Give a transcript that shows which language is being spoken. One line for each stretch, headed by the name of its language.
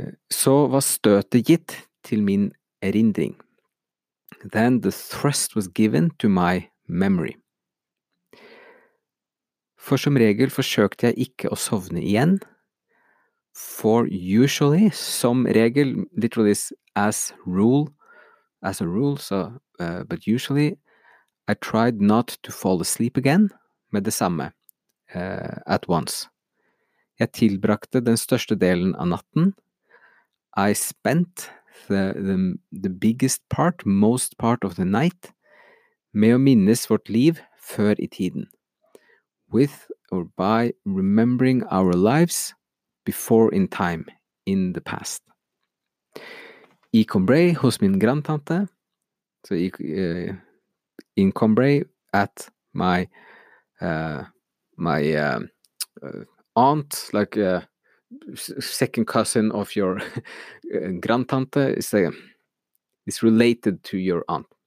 Norwegian: Så var støtet gitt til min erindring.
English: Then the thrust was given to my memory.
Norwegian: For som regel forsøkte jeg ikke å sovne igjen.
English: For usually,
Norwegian: som regel,
English: literally as a rule, so, but usually, I tried not to fall asleep again,
Norwegian: med det samme,
English: at once.
Norwegian: Jeg tilbrakte den største delen av natten.
English: I spent the biggest part, most part of the night,
Norwegian: med å minnes vårt liv før I tiden.
English: With or by remembering our lives before in time, in the past.
Norwegian: I Combray, hos min grandtante,
English: so in Combray, at my aunt, like second cousin of your grandtante, is related to your aunt.